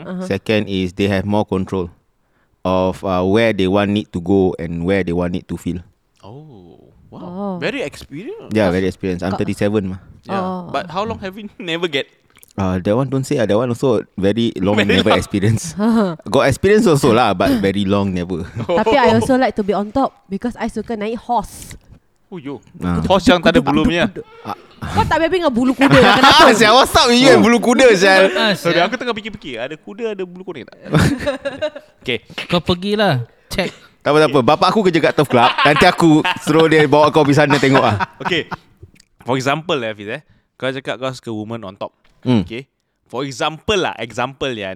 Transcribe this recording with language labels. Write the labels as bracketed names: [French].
[English] Second is they have more control of where they want it to go and where they want it to feel. Oh, wow. Oh. Very experienced. Yeah, very experienced. I'm 37 mah. Yeah. Oh. But how long have you never get? That one don't say. That one also very long. Experience. Got experience also lah, but very long never. Tapi I also like to be on top because I [Malay] suka naik [English] horse. Oh, yo. [Malay] Horse yang tak ada bulunya. Kau tak bebing dengan bulu kuda. Kenapa? [English] Siap, what's up with you and [Malay] bulu kuda, [English] Syal? [Malay] Sorry, aku tengah fikir-fikir. Ada kuda, ada bulu kuda tak? Okay. Kau pergilah. Check. Tak apa-apa. Okay. Bapak aku kerja kat Turf Club. Nanti aku suruh dia bawa kau pergi sana tengok lah. [English] Okay. For example lah, Hafiz. [Malay] Kau cakap kau suka [English] woman on top. Okay. For example lah. Example ya.